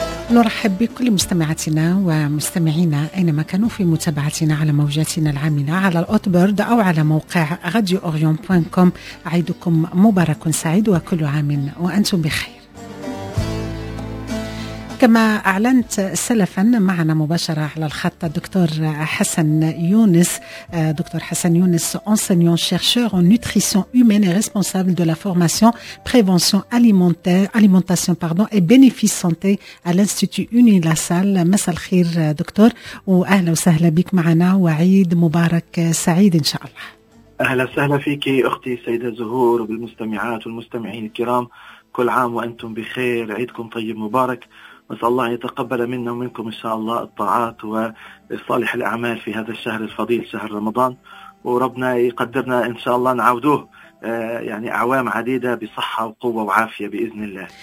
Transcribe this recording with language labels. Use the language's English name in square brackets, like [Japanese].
[Arabic] نرحب بكل مستمعاتنا ومستمعينا أينما كانوا في متابعتنا على موجاتنا العاملة على الأوتبرد أو على موقع radioorion.com. عيدكم مبارك سعيد وكل عام وأنتم بخير. كما أعلنت سلفا معنا مباشرة على الخط الدكتور حسن يونس. [French] دكتور حسن يونس enseignant chercheur en nutrition humaine et responsable de la formation prévention alimentaire alimentation pardon et bénéfices santé à l'institut Uni La Salle. [Arabic] مساء الخير دكتور وأهلا وسهلا بك معنا وعيد مبارك سعيد إن شاء الله. أهلا وسهلا فيك أختي سيدة زهور وبالمستمعات والمستمعين الكرام، كل عام وأنتم بخير، عيدكم طيب مبارك، نسأل الله يتقبل منا ومنكم إن شاء الله الطاعات وصالح الأعمال في هذا الشهر الفضيل شهر رمضان، وربنا يقدرنا إن شاء الله نعودوه يعني أعوام عديدة بصحة وقوة وعافية بإذن الله